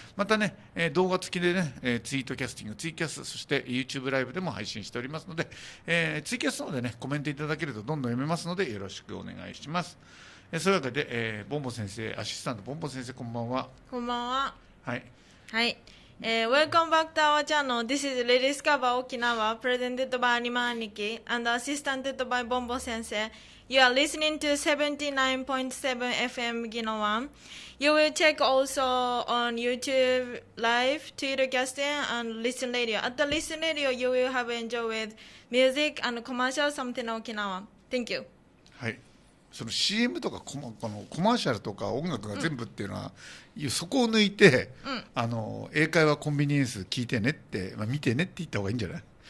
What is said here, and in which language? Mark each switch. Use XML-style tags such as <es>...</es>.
<ja>またね、動画付きでね、ツイートキャスティング、ツイキャス、そして YouTube ライブでも配信しておりますので、ツイキャスの方でねコメントいただけるとどんどん読めますのでよろしくお願いします。そういうわけで、ボンボ先生、アシスタントボンボ先生、こんばんは。こんばんは。はい</ja> <en>はい、Welcome back to our channel. This is Rediscover Okinawa, presented by Anima Aniki and assisted by Bombo Sensei. You are listening to 79.7 FM Ginowan. You will check also on YouTube Live, Twitter Casting, and Listen Radio. At the Listen Radio, you will have enjoy with music and commercial something Okinawa. Thank you.</en> <ja>はい。その CM とかコマーシャルとか音楽が全部っていうのは、うん、そこを抜いて、うん、英会話コンビニエンス聞いてねって、まあ、見てねって言った方がいいんじゃない？</ja>